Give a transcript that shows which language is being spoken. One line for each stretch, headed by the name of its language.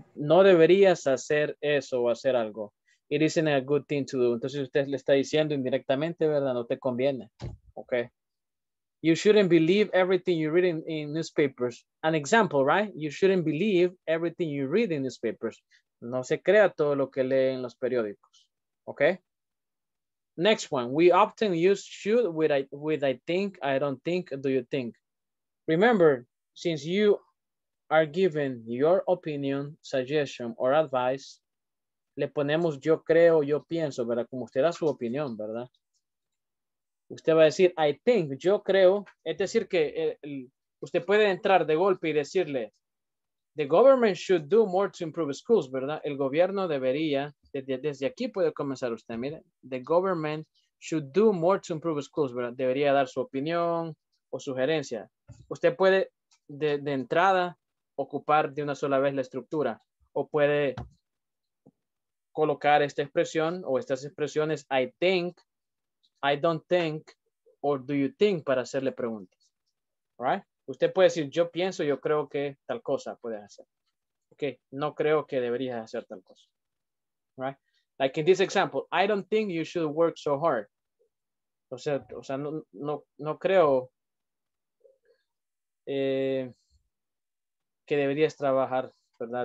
Spanish: no deberías hacer eso o hacer algo.
English: It isn't a good thing to do.
Spanish: Entonces usted le está diciendo indirectamente, ¿verdad? No te conviene. Okay.
English: You shouldn't believe everything you read in newspapers. An example, right? You shouldn't believe everything you read in newspapers.
Spanish: No se crea todo lo que lee en los periódicos.
English: Okay. Next one. We often use should with I think, I don't think, do you think? Remember, since you are given your opinion, suggestion, or advice,
Spanish: le ponemos yo creo, yo pienso,
English: ¿verdad?
Spanish: Como usted da su opinión, ¿verdad? Usted va a decir,
English: I think,
Spanish: yo creo. Es decir que usted puede entrar de golpe y decirle,
English: the government should do more to improve schools,
Spanish: ¿verdad? El gobierno debería, desde aquí puede comenzar usted, mire,
English: the government should do more to improve schools,
Spanish: ¿verdad? Debería dar su opinión o sugerencia. Usted puede de entrada ocupar de una sola vez la estructura o puede colocar esta expresión o estas expresiones,
English: I think, I don't think, or do you think,
Spanish: para hacerle preguntas, right? Usted puede decir, yo pienso, yo creo que tal cosa puedes hacer. Okay, no creo que deberías hacer tal cosa, right?
English: Like in this example, I don't think you should work so hard.
Spanish: O sea no creo que deberías trabajar, ¿verdad?